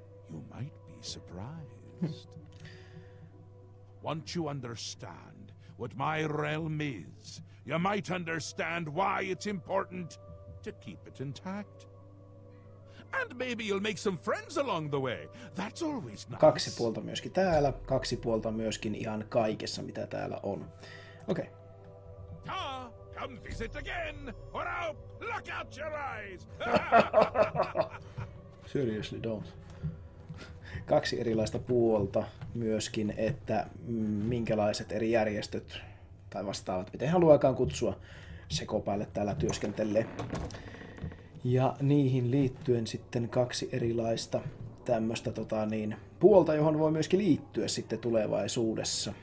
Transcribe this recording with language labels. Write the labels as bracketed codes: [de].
[en] You might be surprised. Once you understand what my realm is, you might understand why it's important to keep it intact. And maybe you'll make some friends along the way. That's always nice. [fi] Kaksi puolta myöskin täällä, kaksi puolta myöskin ihan kaikessa mitä täällä on. Okei. [en] Okay. Ah, come visit again. Or I'll look out your eyes. Seriously, don't. [fi] Kaksi erilaista puolta myöskin, että minkälaiset eri järjestöt tai vastaavat, miten haluakaan kutsua sekopäälle täällä työskentelee. Ja niihin liittyen sitten kaksi erilaista tämmöistä puolta, johon voi myöskin liittyä sitten tulevaisuudessa.